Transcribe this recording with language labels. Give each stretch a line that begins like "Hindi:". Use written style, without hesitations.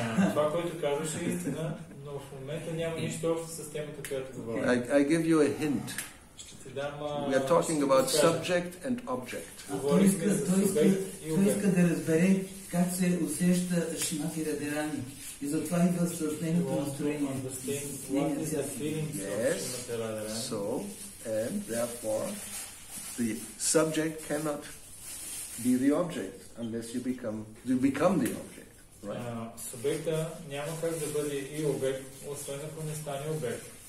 Bulgarian: Това, което казваш, е истина, но в момента няма нищо общо с темата, която говорим.
English: I give you a hint. We are talking about subject and object.
Bulgarian: Той иска да разбере как се усеща Шимати Радарани. И затова идва съобщението настроение.
English: Yes, so, and therefore, the subject cannot be the object unless you become the object.
Bulgarian: Субекта няма как да бъде и обект, освен ако не стане обект.